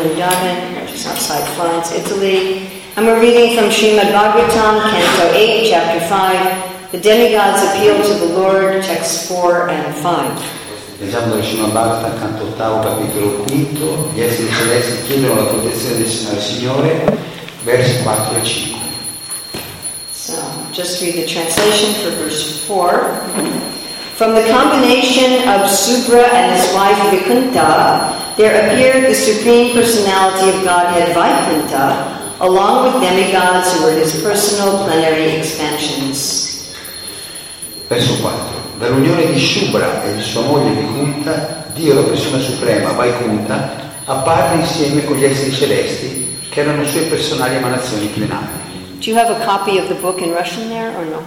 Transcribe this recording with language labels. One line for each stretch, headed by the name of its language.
English: I'm a reading from Srimad Bhagavatam, Canto 8, Chapter 5, The Demigods Appeal to the Lord, Texts 4 and 5.
Italian: Leggiamo da Srimad Bhagavatam, Canto 8, Capitolo 5, gli esseri celesti chiedono la protezione del Signore, Signore, versi 4 e 5.
English: So, just read the translation for verse 4. From the combination of Subhra and his wife Vikunta, there appeared the Supreme Personality of Godhead Vaikunta, along with demigods who were his personal plenary expansions.
Italian: Verso 4. Dall'unione di Subhra e di sua moglie Vikunta, Dio, la persona suprema, Vaikunta, apparve insieme con gli esseri celesti che erano sue personali emanazioni plenarie.
English: Do you have a copy of the book in Russian there or no?